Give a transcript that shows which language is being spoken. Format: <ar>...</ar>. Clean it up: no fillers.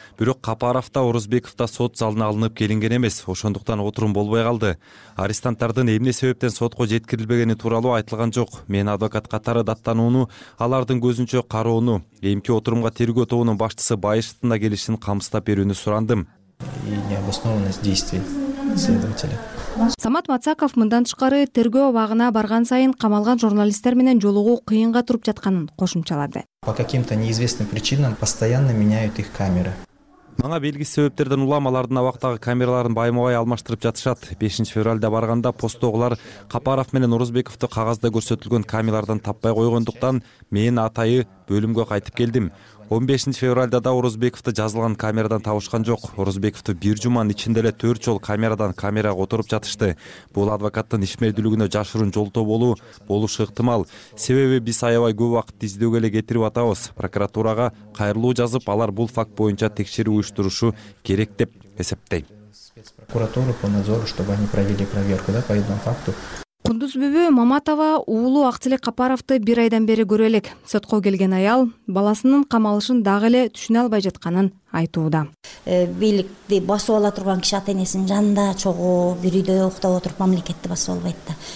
<ky>Бирок Капаров да Орозбеков да сот залына алынып келинген эмес, ошондуктан отурум болбой калды. Арестанттардын эмне себептен сотко жеткирилбегени тууралуу айтылган жок. Мен адвокат катары даттанууну, алардын көзүнчө кароону, эмки отурумга тергөө тобунун башчысы Байышевдин да келишин камсыздап берүүнү сурандым.</ky> <ru>И необоснованность действий следователя.</ru> <ky>Самат Мацаков мындан тышкары тергөө абагына барган сайын камалган журналисттер менен жолугуу кыйынга туруп жатканын кошумчалады.</ky> <ru>По каким-то неизвестным причинам постоянно меняют их камеры.</ru> <ky>Мага белгисиз себептерден улам алардын абактагы камераларын байма-бай алмаштырып жатышат. 5 февралда барганда постогулар Капаров менен Орозбековду кагазда көрсөтүлгөн камералардан таппай койгондуктан мен атайы бөлүмгө кайтып келдим. 15 февралда да Орозбековду жазылган камерадан табышкан жок. Орозбековду бир жуманын ичинде эле 4 жол камерадан камерага отуруп жатышты. Бул адвокаттын ишмердүүлүгүнө жашыруун жолтоо болушу ыктымал. Себеби биз аябай көп убакытты издөөгө эле кетирип атабыз. Прокуратурага кайрылуу жазып, алар бул факт боюнча текшерүү уюштурушу керек деп эсептейм.</ky> <ru>Спецпрокуратура по надзору, чтобы они провели проверку, да, по этому факту.</ru> <ky>Кундуз Бүбү Маматова уулу Актилек Капаровту бир айдан бери көрө элек. Сотко келген аял баласынын камалышын дагы эле түшүнө албай жатканын айтууда. Бийликти басып ала турган киши ата энесинин жанында чогуу бир үйдө уктап отуруп мамлекетти басып албайт да.</ky>